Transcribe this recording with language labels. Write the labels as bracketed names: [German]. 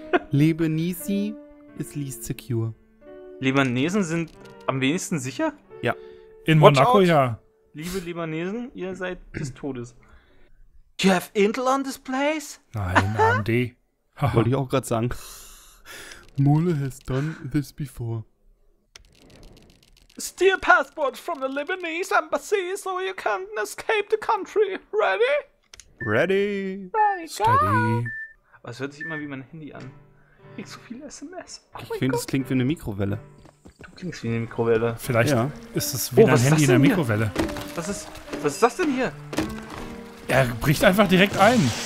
[English] Lebanese is least secure. [German] Libanesen sind am wenigsten sicher? Ja. In [English] Watch Monaco, out. [German] Ja. Liebe Libanesen, ihr seid des Todes. [English] Do you have Intel on this place? [German] Nein, AMD. Wollte ich auch gerade sagen. [English] Mole has done this before. Steal passports from the Lebanese embassy so you can escape the country. Ready? Ready. Ready, go. [German] Das hört sich immer wie mein Handy an. Ich so viele SMS. Oh, ich finde, das klingt wie eine Mikrowelle. Du klingst wie eine Mikrowelle. Vielleicht ist es wie dein Handy in der Mikrowelle. Was ist das denn hier? Er bricht einfach direkt ein.